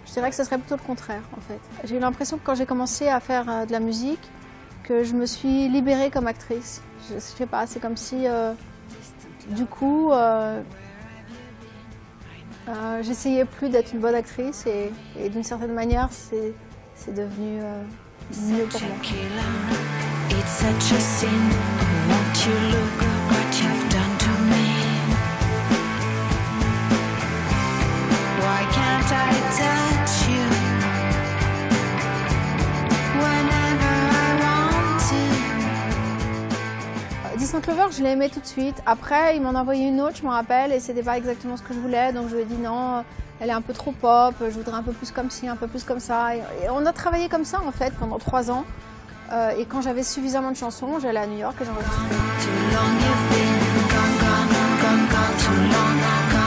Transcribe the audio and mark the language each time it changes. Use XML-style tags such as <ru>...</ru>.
<fr>Je dirais que ce serait plutôt le contraire, en fait. J'ai eu l'impression que quand j'ai commencé à faire de la musique, que je me suis libérée comme actrice. Je sais pas, c'est comme si, du coup, j'essayais plus d'être une bonne actrice et d'une certaine manière, c'est devenu...</fr> <en>It's such a sin. Won't you look what you've done to me? Why can't I touch you whenever I want to?</en> <fr>Distant Lover, je l'ai aimé tout de suite. Après, il m'en a envoyé une autre, je m'en rappelle, et c'était pas exactement ce que je voulais, donc je lui ai dit non. Elle est un peu trop pop, je voudrais un peu plus comme ci, un peu plus comme ça. Et on a travaillé comme ça en fait pendant 3 ans. Et quand j'avais suffisamment de chansons, j'allais à New York et j'enregistrais.</fr>